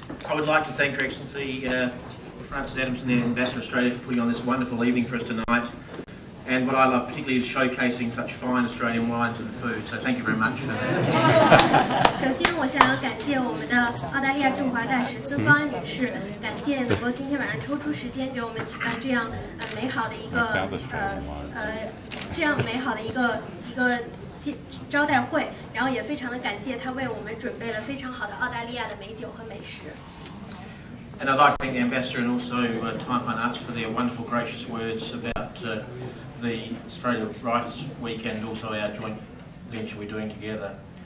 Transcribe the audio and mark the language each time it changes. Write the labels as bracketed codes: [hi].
[en] I would like to thank Your Excellency Francis Adams and the Ambassador Australia for putting on this wonderful evening for us tonight. And what I love particularly is showcasing such fine Australian wines and food. So thank you very much for that. [zh] 首先我想要感谢我们的澳大利亚驻华大使孙芳女士，感谢能够今天晚上抽出时间给我们举办这样美好的一个招待会，然后也非常的感谢她为我们准备了非常好的澳大利亚的美酒和美食。 [en] And I'd like to thank the Ambassador and also Time Fine Arts for their wonderful, gracious words about the Australia Writers Week and also our joint venture we're doing together.